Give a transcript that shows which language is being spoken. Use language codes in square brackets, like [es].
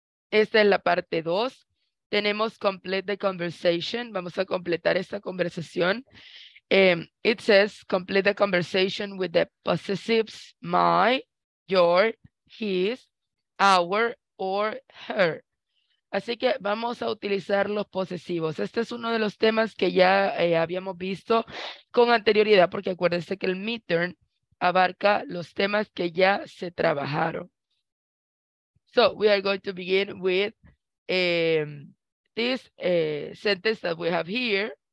[es] Esta es la parte 2. Tenemos [en] complete the conversation. [es] Vamos a completar esta conversación. [en] It says complete the conversation with the possessives my, your, his, our, or her. [es] Así que vamos a utilizar los posesivos. Este es uno de los temas que ya habíamos visto con anterioridad, porque acuérdense que el midterm abarca los temas que ya se trabajaron. [en] So, we are going to begin with this sentence that we have here.